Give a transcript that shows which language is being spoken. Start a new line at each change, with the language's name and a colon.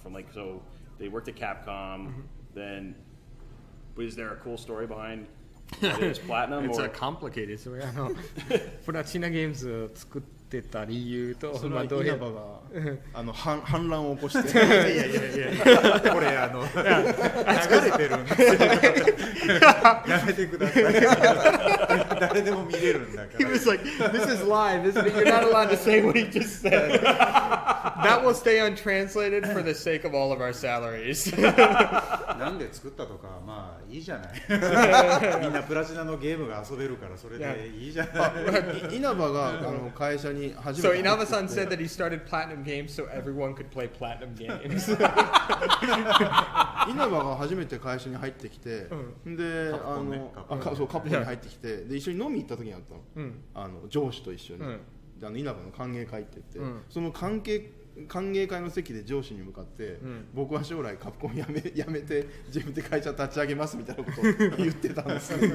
English: From like, so they worked at Capcom, then is there a cool story behind this Platinum? It's or? A complicated story. I know.
Japanese: Platinum Games を作ってた理由と、それはどういう、稲葉が、あの、反乱を起こして、いや、これ、あの、流れてるんで、やめてください。誰でも見れるんだから。
English: He was like, this is live, isn't it? You're not allowed to say what he just said. That will stay untranslated for the sake of all of our salaries.
Japanese: なんで作ったとか、まあいいじゃない。みんなプラチナのゲームが遊べるからそれでいいじゃない。稲葉があの会社に初めて。
English: So Inaba-san said that he started Platinum Games so everyone could play Platinum Games.
Japanese: 稲葉が初めて会社に入ってきて、で、あの、そう、カプコンに入ってきて、で、一緒に飲み行った時にあったの。あの、上司と一緒に。あの稲葉の歓迎会って言って、その歓迎会の席で上司に向かって、僕は将来カプコンやめて自分で会社立ち上げますみたいなことを言ってたんです。